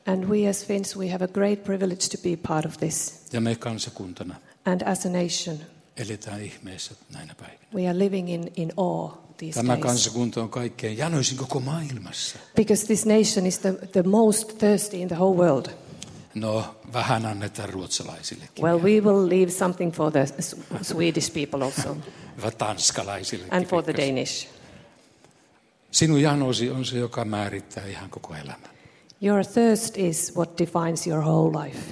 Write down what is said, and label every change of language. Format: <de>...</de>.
<en>And we as Finns, we have a great privilege to be part of this.</en> <fi>Ja me kansakuntana.</fi> <en>And as a nation.</en> <fi>Eletään ihmeessä näinä päivinä.</fi> <en>We are living in awe. These</en> <fi>tämä</fi> <en>days.</en> <fi>Kansakunta on kaikkein janoisin koko maailmassa.</fi> <en>Because this nation is the most thirsty in the whole world.</en> <fi>No, vähän annetaan ruotsalaisillekin.</fi> <en>Well, we will leave something for the Swedish people also.</en> <fi>Ja tanskalaisillekin.</fi> <en>And for the Danish.</en> <fi>Sinun janosi on se, joka määrittää ihan koko elämän.</fi> <en>Your thirst is what defines your whole life.</en>